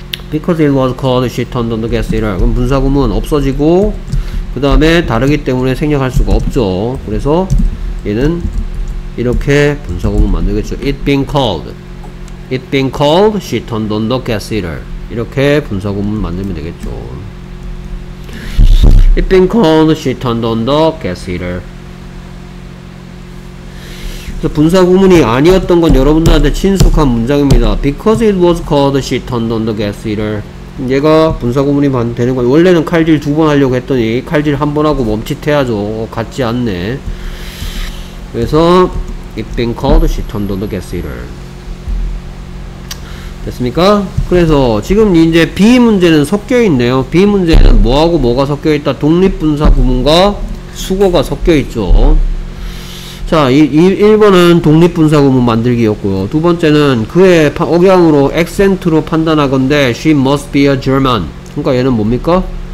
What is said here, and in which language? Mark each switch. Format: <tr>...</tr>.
<en>Because it was cold, she turned on the gas heater.</en> <ko>그럼 분사구문 없어지고 그 다음에 다르기 때문에 생략할 수가 없죠. 그래서 얘는 이렇게 분사구문 만들겠죠.</ko> <en>It being cold. It being cold, she turned on the gas heater.</en> <ko>이렇게 분사구문 만들면 되겠죠.</ko> <en>It being cold, she turned on the gas heater.</en> <ko>분사 구문이 아니었던 건 여러분들한테 친숙한 문장입니다.</ko> <en>Because it was called, she turned on the gas heater.</en> <ko>얘가 분사 구문이 되는 건 원래는 칼질 두 번 하려고 했더니 칼질 한 번 하고 멈칫해야죠. 같지 않네. 그래서</ko> <en>it been called, she turned on the gas heater.</en> <ko>됐습니까? 그래서 지금 이제 B 문제는 섞여 있네요. B 문제는 뭐하고 뭐가 섞여 있다? 독립 분사 구문과 수거가 섞여 있죠. 자, 1번은 독립분사구문 만들기였고요. 두 번째는 그의 억양으로 액센트로 판단하건대</ko> <en>she must be a German.</en> <ko>그러니까 얘는 뭡니까?</ko>